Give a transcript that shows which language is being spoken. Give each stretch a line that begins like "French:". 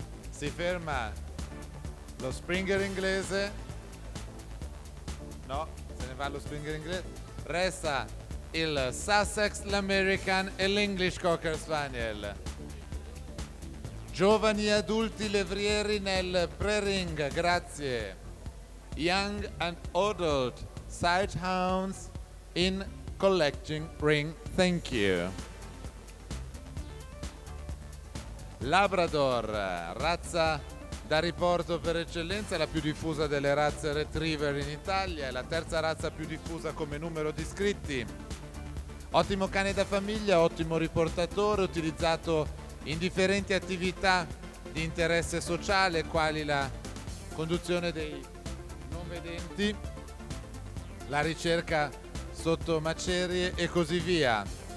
Italian: Si ferma lo Springer inglese. No, se ne va lo Springer inglese. Resta il Sussex, l'American e l'English Cocker Spaniel. Giovani adulti levrieri nel pre-ring, grazie.
English: Young and adult sighthounds in collecting ring, thank you.
Italian: Labrador, razza da riporto per eccellenza, la più diffusa delle razze retriever in Italia, è la terza razza più diffusa come numero di iscritti. Ottimo cane da famiglia, ottimo riportatore, utilizzato in differenti attività di interesse sociale, quali la conduzione dei vedenti, la ricerca sotto macerie e così via.